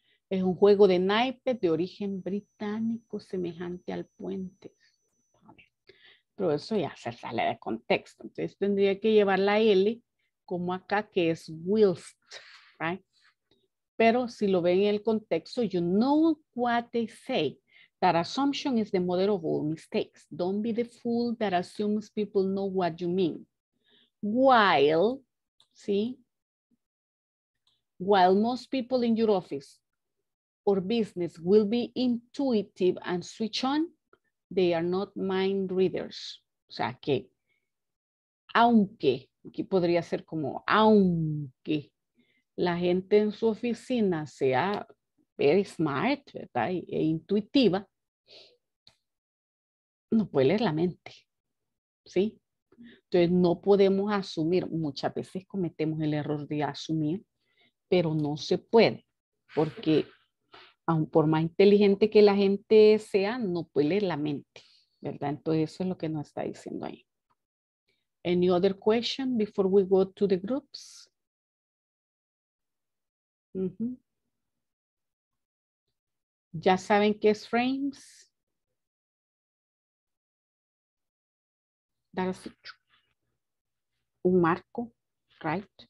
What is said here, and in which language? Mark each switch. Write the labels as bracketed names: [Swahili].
[Spanish] Es un juego de naipes de origen británico semejante al puente. Pero eso ya se sale de contexto. Entonces tendría que llevar la L como acá, que es whilst, right? Pero si lo ven en el contexto, [English] you know what they say. That assumption is the mother of all mistakes. Don't be the fool that assumes people know what you mean. While, see, while most people in your office or business will be intuitive and switch on, they are not mind readers. [Spanish] O sea que, aunque, aquí podría ser como, aunque la gente en su oficina sea [English] very smart, [Spanish] ¿verdad? E intuitiva, no puede leer la mente, ¿sí? Entonces no podemos asumir, muchas veces cometemos el error de asumir, pero no se puede, porque aun por más inteligente que la gente sea, no puede leer la mente, ¿verdad? Entonces eso es lo que nos está diciendo ahí. [English] Any other question before we go to the groups? [Spanish] ¿Ya saben qué es frames? Dar un marco, right?